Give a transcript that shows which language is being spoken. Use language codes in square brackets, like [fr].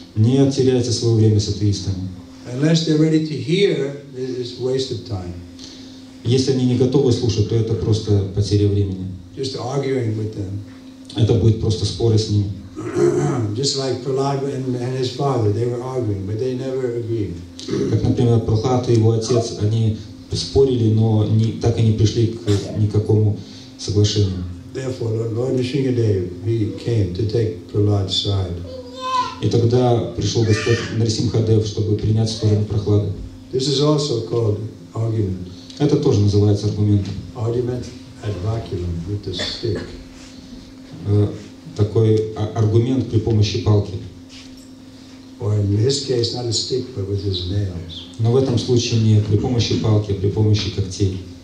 [ru] Не теряйте свое время с атеистами. [en] Unless they're ready to hear, it's wasted time. [ru] Если они не готовы слушать, то это просто потеря времени. [en] Just arguing with them. [ru] Это будет просто споры с ними. [en] Just like Prahlad and his father, they were arguing, but they never agreed. [ru] Как, например, Прохлад и его отец, они спорили, но так и не пришли к никакому соглашению. [en] Therefore, Lord Nrisimhadev, he came to take Prahlad's side. [ru] И тогда пришел Господь Нарисимхадев, чтобы принять сторону Прохлады. [en] This is also called argument. [ru] Это тоже называется аргументом. [en] Argument ad baculum with the stick. [ru] Такой аргумент при помощи палки. [en] Or in his case, not a stick, but with his nails. [ru] Но в этом случае не при помощи палки, а при помощи когтей.